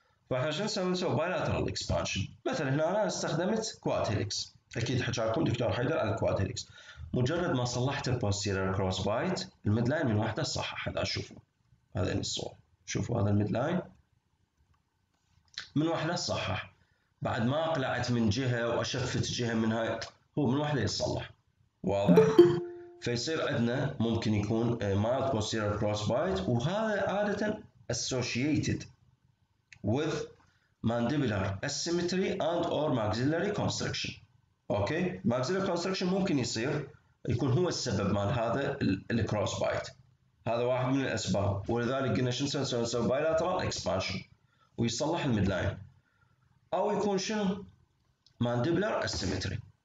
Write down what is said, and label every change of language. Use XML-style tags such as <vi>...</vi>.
<ar>فاحنا شو نسوي؟ نسوي بايلاترال اكسبانشن. مثلا هنا انا استخدمت كوات هيليكس، اكيد حكى لكم دكتور حيدر عن الكوات هيليكس. مجرد ما صلحت البوستيرير كروس بايت الميد لاين من واحده صح. هذا شوفوا هذا الصور، شوفوا هذا الميد لاين من واحدة صحح، بعد ما أقلعت من جهة وأشفت جهة من هاي، هو من واحدة يصلح. واضح؟ فيصير عندنا ممكن يكون</ar> <en>mild posterior cross bite،</en> <ar>وهذا عادة</ar> <en>associated with mandibular asymmetry and or maxillary constriction.</en> <ar>أوكي؟ maxillary constriction ممكن يصير يكون هو السبب مال هذا ال cross bite، هذا واحد من الأسباب. ولذلك قلنا شنو نسوي؟ نسوي bilateral expansion ويصلح الميدلاين، او يكون شنو؟ ماندبلر اسيمتري.</ar>